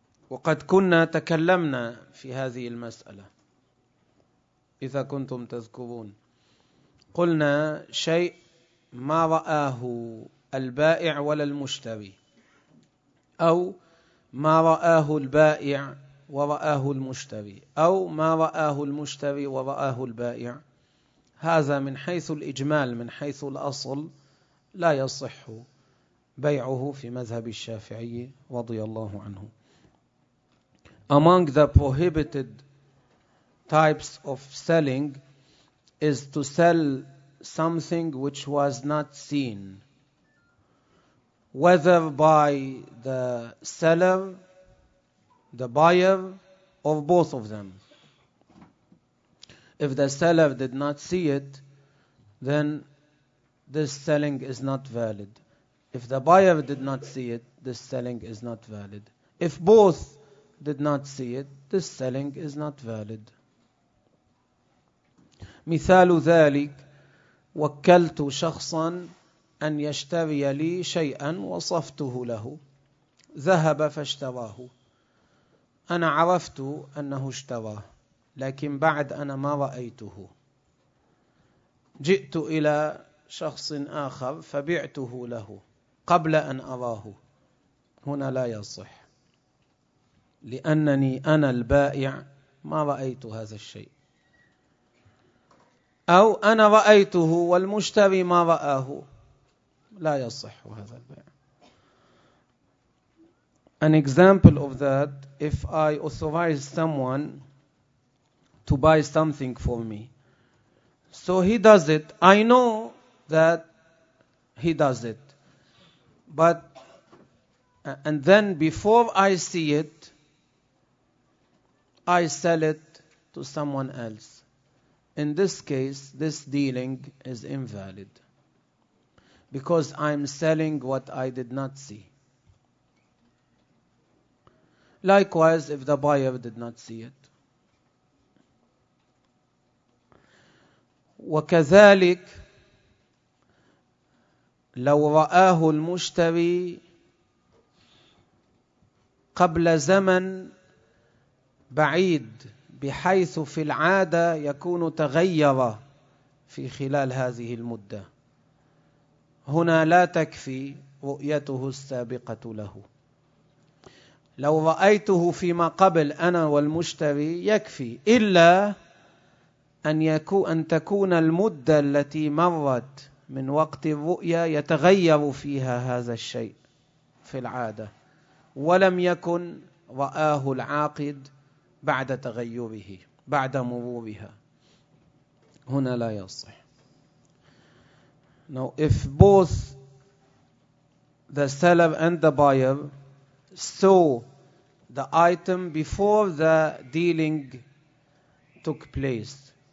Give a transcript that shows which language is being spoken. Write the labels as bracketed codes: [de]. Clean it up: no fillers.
[ar] وقد كنا تكلمنا في هذه المسألة إذا كنتم تذكرون، قلنا شيء ما رآه البائع ولا المشتري، أو ما رآه البائع ورآه المشتري، أو ما رآه المشتري ورآه البائع، هذا من حيث الإجمال، من حيث الأصل لا يصح بيعه في مذهب الشافعي رضي الله عنه. [en] Among the prohibited types of selling is to sell something which was not seen, whether by the seller, the buyer, or both of them. If the seller did not see it, then this selling is not valid. If the buyer did not see it, this selling is not valid. If both did not see it, this selling is not valid. [ar] مثال ذلك، وكلت شخصا أن يشتري لي شيئا وصفته له، ذهب فاشتراه، أنا عرفت أنه اشتراه لكن بعد أنا ما رأيته، جئت إلى شخص آخر فبعته له قبل أن أراه، هنا لا يصح لأنني أنا البائع ما رأيت هذا الشيء، أو أنا رأيته والمشتري ما رآه، لا يصح هذا البيع. [en] An example of that, if I authorize someone to buy something for me, so he does it, I know that he does it, but and then before I see it, I sell it to someone else. In this case, this dealing is invalid because I'm selling what I did not see. Likewise, if the buyer did not see it. [ar] وكذلك لو رآه المشتري قبل زمن بعيد بحيث في العادة يكون تغير في خلال هذه المدة، هنا لا تكفي رؤيته السابقة له. لو رأيته فيما قبل أنا والمشتري يكفي، إلا أن تكون المدة التي مرت من وقت الرؤية يتغير فيها هذا الشيء في العادة، ولم يكن رآه العاقد بعد تغيره، بعد مرورها، هنا لا يصح. [en] Now, if both the seller and the buyer saw the item before the dealing took place,